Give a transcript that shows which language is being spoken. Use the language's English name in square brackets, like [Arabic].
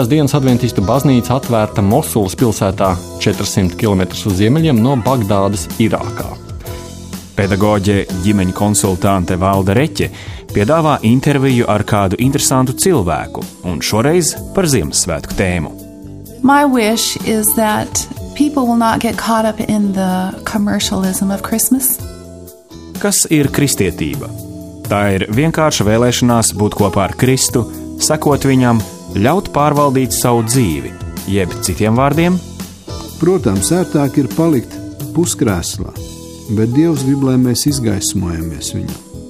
[Latvian] Dienas adventistu baznīca atvērta Mosulas pilsētā 400 km uz ziemeļiem no Bagdādas, Irākā. Pedagoģe, ģimeņa konsultante Valda Reķe piedāvā interviju ar kādu interesantu cilvēku un šoreiz par Ziemassvētku tēmu. [English] My wish is that people will not get caught up in the commercialism of Christmas. [Latvian] Kas ir kristietība? Tā ir vienkārša vēlēšanās būt kopā ar Kristu, sekot viņam, ļaut pārvaldīt savu dzīvi, jeb citiem vārdiem? Protams, ērtāk ir palikt puskrēslā, bet Dievs grib, lai mēs izgaismojamies viņam.